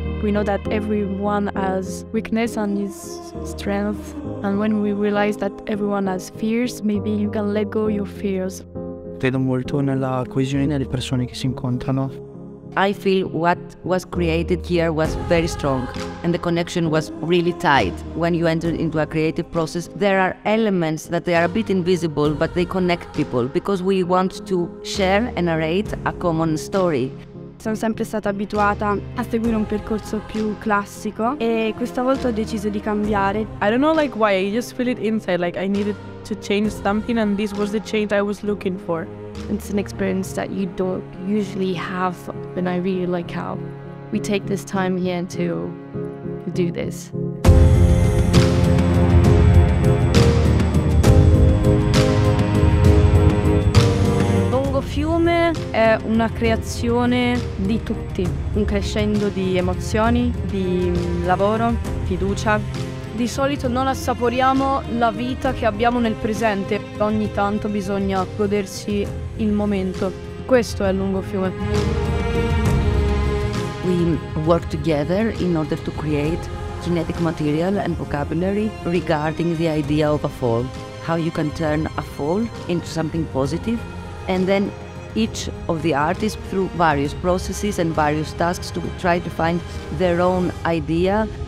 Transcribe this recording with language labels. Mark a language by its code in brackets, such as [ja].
[en] We know that everyone has weakness and his strength. And when we realize that everyone has fears, maybe you can let go your fears. [it] Credo molto nella coesione delle persone che si incontrano. [en] I feel what was created here was very strong and the connection was really tight. When you enter into a creative process, there are elements that they are a bit invisible, but they connect people because we want to share and narrate a common story. [it] Sono sempre stata abituata a seguire un percorso più classico e questa volta ho deciso di cambiare. [en] I don't know like why, I just feel it inside, like I needed to change something and this was the change I was looking for. It's an experience that you don't usually have, and I really like how we take this time here to do this. [it] Lungo Fiume è una creazione di tutti, un crescendo di emozioni, di lavoro, fiducia. Di solito non assaporiamo la vita che abbiamo nel presente. Ogni tanto bisogna godersi il momento. Questo è Lungo Fiume. [en] We work together in order to create genetic material and vocabulary regarding the idea of a fall, how you can turn a fall into something positive, and then each of the artists through various processes and various tasks to try to find their own idea.